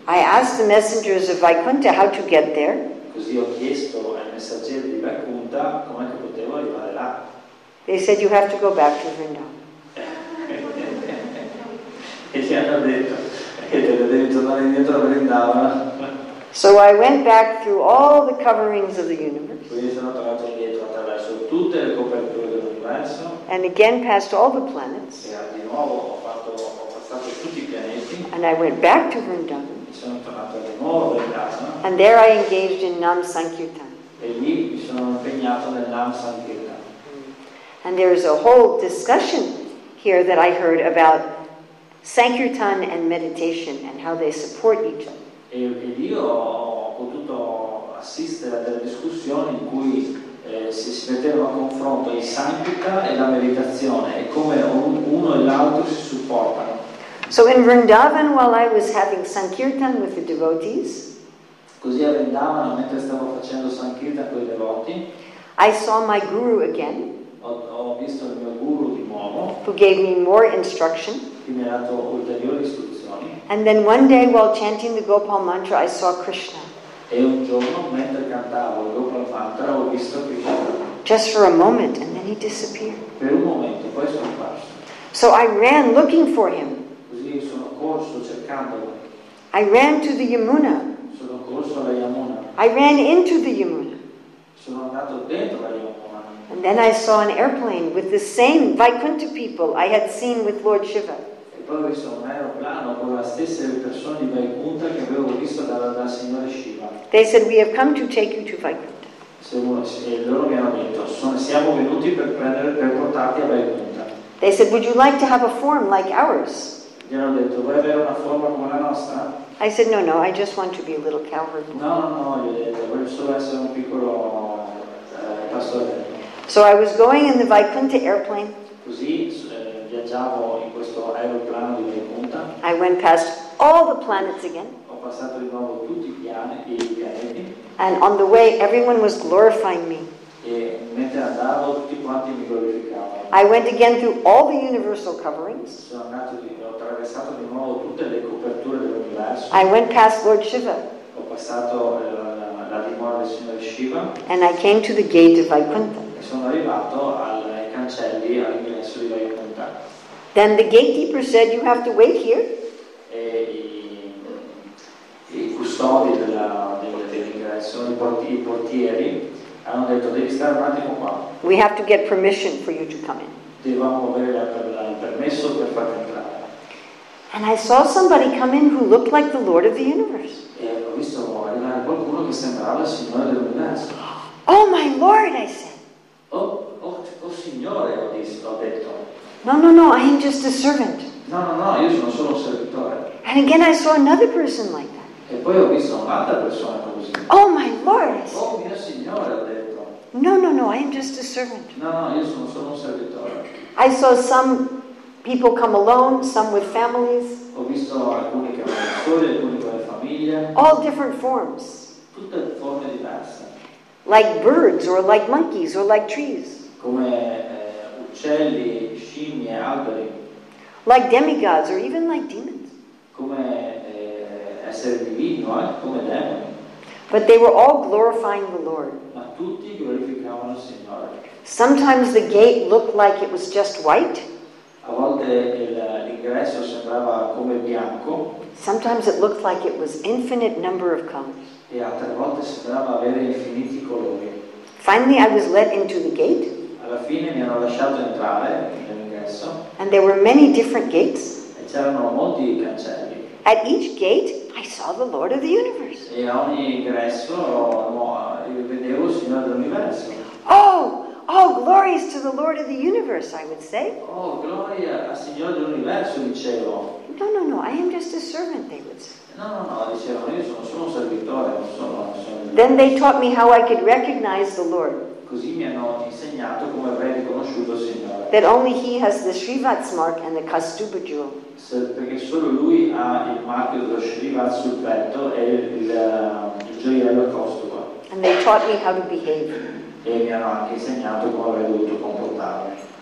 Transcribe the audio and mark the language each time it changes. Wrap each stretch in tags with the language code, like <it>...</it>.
<en>I asked the messengers of Vaikuntha how to get there.</en> <it>Così ho chiesto ai messaggeri di Vaikuntha come potevo arrivare là.</it> <en>They said you have to go back to Vrindavan.</en> <it>E gli hanno detto che deve tornare indietro a Vrindavana.</it> <en>So I went back through all the coverings of the universe.</en> <it>Quindi sono tornato indietro attraverso tutte le coperture dell'universo.</it> <en>And again past all the planets.</en> <it>E di nuovo ho passato tutti i pianeti.</it> <en>And I went back to Vrindavana.</en> <it>E sono tornato di nuovo a Vrindavana.</it> <en>And there I engaged in Nam Sankirtan.</en> <it>E lì mi sono impegnato nel Nam Sankirtan.</it> <en>And there is a whole discussion here that I heard about Sankirtan and meditation and how they support each other.</en> <it>E io ho potuto assistere a delle discussioni in cui si metteva a confronto il Sankirtan e la meditazione e come uno e l'altro si supportano.</it> <en>So in Vrindavan while I was having Sankirtan with the devotees,</en> <it>così a Vrindavan mentre stavo facendo Sankirtan con i devoti,</it> <en>I saw my guru again.</en> <it>Ho visto il mio guru di nuovo.</it> <en>Who gave me more instruction.</en> <it>Mi ha dato ulteriori istruzioni.</it> <en>And then one day while chanting the Gopal mantra I saw Krishna.</en> <it>E un giorno mentre cantavo il Gopal mantra ho visto Krishna.</it> <en>Just for a moment and then he disappeared.</en> <it>Per un momento poi sono apparso.</it> <en>So I ran looking for him.</en> <it>Così sono corso cercandolo.</it> <en>I ran to the Yamuna.</en> <it>Sono corso alla Yamuna.</it> <en>I ran into the Yamuna.</en> <it>Sono andato dentro la Yamuna.</it> <en>And then I saw an airplane with the same Vaikuntha people I had seen with Lord Shiva.</en> <it>E poi ho visto un aeroplano con le stesse persone di Vaikuntha che avevo visto dalla signora Shiva.</it> <en>They said, "We have come to take you to Vaikuntha."</en> <it>Siamo venuti per prendere, per portarti a Vaikuntha.</it> <en>They said, "Would you like to have a form like ours?"</en> <it>Gli hanno detto, "Vuoi avere una forma come la nostra?"</it> <en>I said, "No, no, I just want to be a little cowherd."</en> <it>No, no, no, gli ho detto, "Voglio solo essere un piccolo pastore."</it> <en>So I was going in the Vaikuntha airplane.</en> <it>Così viaggiavo in questo aeroplano di Vaikuntha.</it> <en>I went past all the planets again.</en> <it>Ho passato di nuovo tutti i pianeti.</it> <en>And on the way, everyone was glorifying me.</en> <it>E mentre andavo, tutti quanti mi glorificavano.</it> <en>I went again through all the universal coverings.</en> <it>Sono andato di, ho attraversato di nuovo tutte le coperture dell'universo.</it> <en>I went past Lord Shiva.</en> <it>Ho passato la dimora del signor Shiva.</it> <en>And I came to the gate of Vaikuntha.</en> <it>E sono arrivato ai cancelli, all'ingresso di Vaikuntha.</it> <en>Then the gatekeeper said, "You have to wait here."</en> <it>E i custodi della portieri hanno detto, "Devi stare un attimo qua.</it> <en>We have to get permission for you to come in."</en> <it>Dovevamo avere il permesso per farti entrare.</it> <en>And I saw somebody come in who looked like the Lord of the Universe.</en> <it>E ho visto arrivare qualcuno che sembrava il Signore dell'Universo.</it> <en>"Oh my Lord," I said.</en> <it>Oh Signore, ho detto.</it> <en>"No, no, no, I am just a servant."</en> <it>No, no, no, io sono solo un servitore.</it> <en>And again I saw another person like that.</en> <it>E poi ho visto un'altra persona così.</it> <en>"Oh my Lord."</en> <it>"Oh mio Signore," ho detto.</it> <en>"No, no, no, I am just a servant."</en> <it>"No, no, io sono solo un servitore."</it> <en>I saw some people come alone, some with families.</en> <it>Ho visto alcuni che erano soli, alcuni con le famiglie.</it> <en>All different forms.</en> <it>Tutte forme diverse.</it> <en>Like birds or like monkeys or like trees.</en> <it>Come uccelli, scimmie, alberi.</it> <en>Like demigods or even like demons.</en> <it>Come essere divino, come demoni.</it> <en>But they were all glorifying the Lord.</en> <it>Ma tutti glorificavano il Signore.</it> <en>Sometimes the gate looked like it was just white.</en> <it>A volte l'ingresso sembrava come bianco.</it> <en>Sometimes it looked like it was infinite number of colors.</en> <it>E altre volte sembrava avere infiniti colori.</it> <en>Finally I was let into the gate.</en> <it>Alla fine mi hanno lasciato entrare nell'ingresso.</it> <en>And there were many different gates.</en> <it>E c'erano molti cancelli.</it> <en>At each gate I saw the Lord of the Universe.</en> <it>E a ogni ingresso io vedevo il Signore dell'Universo.</it> <en>Oh, glories to the Lord of the Universe, I would say.</en> <it>Oh, gloria al Signore dell'Universo, dicevo.</it> <en>No, no, no, I am just a servant, they would say.</en> <it>No, no, no, dicevano, io sono solo un servitore, non sono un servitore.</it> <en>Then they taught me how I could recognize the Lord.</en> <it>Così mi hanno insegnato come avrei riconosciuto il Signore.</it> <en>That only he has the Srivats mark and the Kastuba jewel.</en> <it>Perché solo lui ha il marchio dello Srivats sul petto e il gioiello Kastuba.</it> <en>And they taught me how to behave.</en> <it>E mi hanno anche insegnato come avrei dovuto comportarmi.</it>